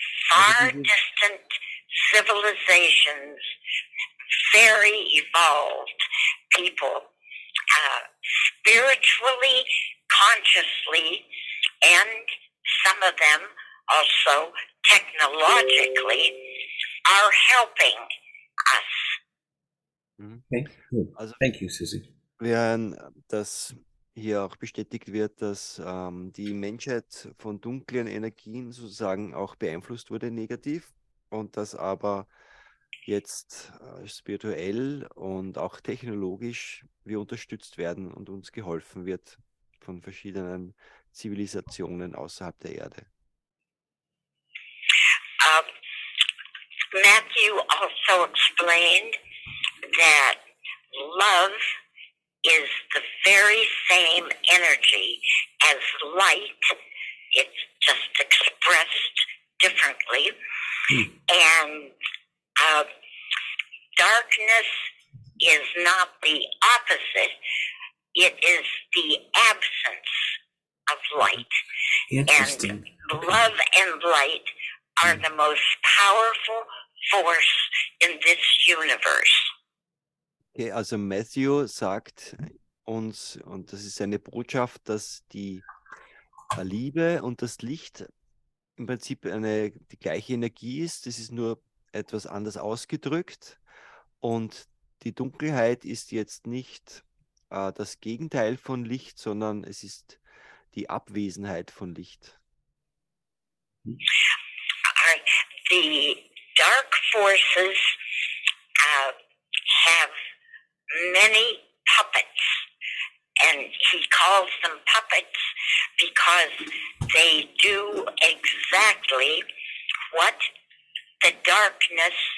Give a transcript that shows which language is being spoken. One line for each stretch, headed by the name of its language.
English: Far distant civilizations, very evolved people, spiritually, consciously, and some of them also technologically, are helping us. Also, thank you, Susie.
German: Während das hier auch bestätigt wird, dass die Menschheit von dunklen Energien sozusagen auch beeinflusst wurde negativ und dass aber jetzt spirituell und auch technologisch wir unterstützt werden und uns geholfen wird von verschiedenen Zivilisationen außerhalb der Erde.
English: Matthew also explained that love is the very same energy as light. It's just expressed differently. And darkness is not the opposite. It is the absence of light. And love and light are the most powerful force in this universe.
German: Okay, also Matthew sagt uns, und das ist seine Botschaft, dass die Liebe und das Licht im Prinzip die gleiche Energie ist, das ist nur etwas anders ausgedrückt. Und die Dunkelheit ist jetzt nicht das Gegenteil von Licht, sondern es ist die Abwesenheit von Licht.
English: The dark forces have many puppets, and he calls them puppets because they do exactly what the darkness